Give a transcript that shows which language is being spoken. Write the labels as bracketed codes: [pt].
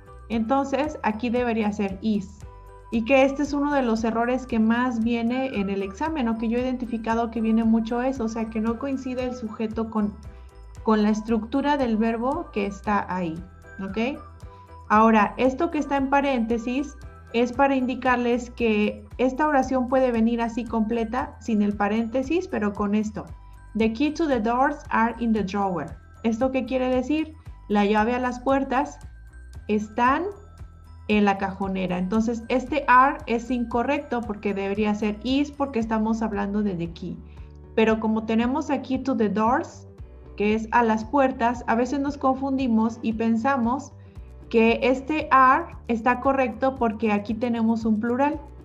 [es] Entonces, aquí debería ser is. Y que este es uno de los errores que más viene en el examen, o que yo he identificado que viene mucho eso, o sea, que no coincide el sujeto con la estructura del verbo que está ahí, ¿ok? Ahora, esto que está en paréntesis es para indicarles que esta oración puede venir así completa, sin el paréntesis, pero con esto. [en] The key to the doors are in the drawer. [es] ¿Esto qué quiere decir? La llave a las puertas están en la cajonera. Entonces, este are es incorrecto porque debería ser is, porque estamos hablando de [en] the key. [es] Pero como tenemos aquí [en] to the doors, [es] que es a las puertas, a veces nos confundimos y pensamos que este are está correcto porque aquí tenemos un plural.